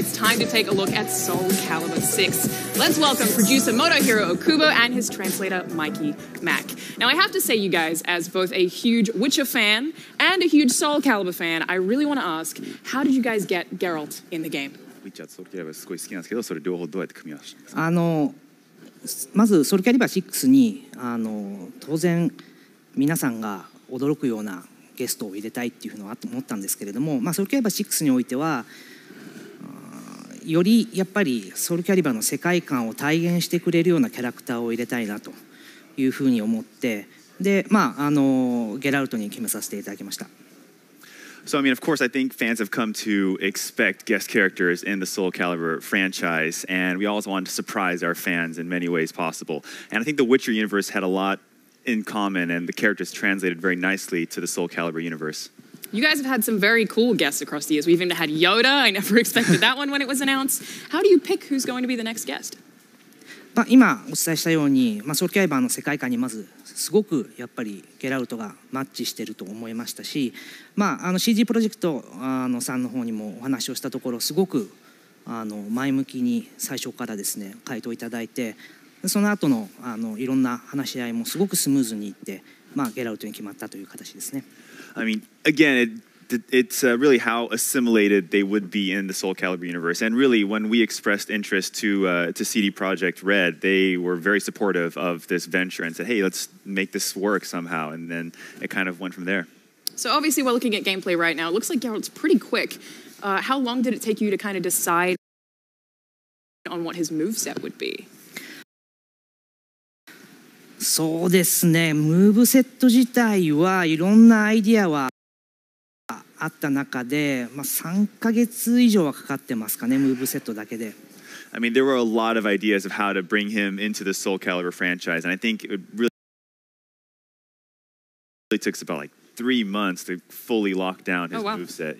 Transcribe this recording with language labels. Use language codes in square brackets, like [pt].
[en] It's time to take a look at Soul Calibur 6. Let's welcome producer Motohiro Okubo and his translator, Mikey Mack. Now, I have to say, you guys, as both a huge Witcher fan and a huge Soul Calibur fan, I really want to ask, how did you guys get Geralt in the game? [ja] Witcher Soul Calibur すごい好きなんですけど、それ両方どうやって組み合わせたんですか？まず、Soul Calibur 6に、当然、皆さんが驚くようなゲストを入れたいっていうのは思ったんですけれども、まあ、ソルキャリバー6においてはよりやっぱりソルキャリバーの世界観を体現してくれるようなキャラクターを入れたいなというふうに思ってで、まあ、ゲラルトに決めさせていただきました。 [en] So, I mean, of course, I think fans have come to expect guest characters in the Soul Calibur franchise, and we always wanted to surprise our fans in many ways possible. And I think the Witcher universe had a lot in common, and the characters translated very nicely to the Soul Calibur universe. You guys have had some very cool guests across the years. We've even had Yoda. I never expected that one when it was announced. How do you pick who's going to be the next guest? [ja] But 今お伝えしたように、まあ、ソウルキャリバーの世界観にまずすごくやっぱりゲラルトがマッチしていると思いましたし、まあ、CG プロジェクトさんの方にもお話をしたところすごく前向きに最初からですね回答いただいて、その後のいろんな話し合いもすごくスムーズにいって、まあ、ゲラルトに決まったという形ですね。 [en] I mean, again, it's really how assimilated they would be in the Soul Calibur universe. And really, when we expressed interest to CD Projekt Red, they were very supportive of this venture and said, hey, let's make this work somehow. And then it kind of went from there. So obviously, we're looking at gameplay right now. It looks like Geralt's pretty quick. How long did it take you to kind of decide on what his moveset would be? [ja] そうですね、ムーブセット自体はいろんなアイディアはあった中で、まあ、3ヶ月以上はかかってますかね、ムーブセットだけで。 [en] I mean, there were a lot of ideas of how to bring him into the Soul Calibur franchise, and I think it really took about like 3 months to fully lock down his move set.